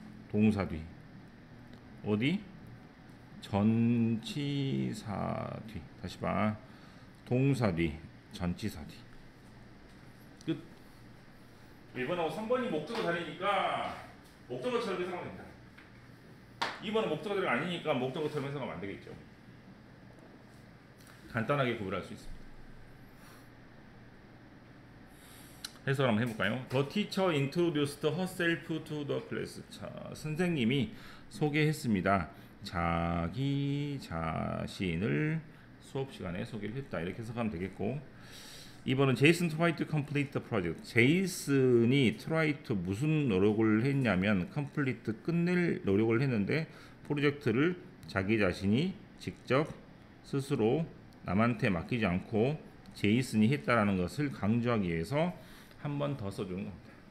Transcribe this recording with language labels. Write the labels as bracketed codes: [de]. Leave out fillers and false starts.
[ko] 동사 뒤 어디? 전치사 뒤 다시 봐 동사 뒤 전치사 뒤 끝 1번하고 3번이 목적어 자리니까 목적어처럼 해석하면 된다 2번은 목적어 자리가 아니니까 목적어처럼 해석하면 안 되겠죠 간단하게 구별할 수 있습니다 해석을 한번 해볼까요? [en] The teacher introduced herself to the class. [ko] 자, 선생님이 소개했습니다. 자기 자신을 수업 시간에 소개를 했다. 이렇게 해석하면 되겠고 이번은 [en] Jason tried to complete the project. [ko] 제이슨이 try to 무슨 노력을 했냐면 complete 끝낼 노력을 했는데 프로젝트를 자기 자신이 직접 스스로 남한테 맡기지 않고 제이슨이 했다라는 것을 강조하기 위해서 한 번 더 써주는 겁니다.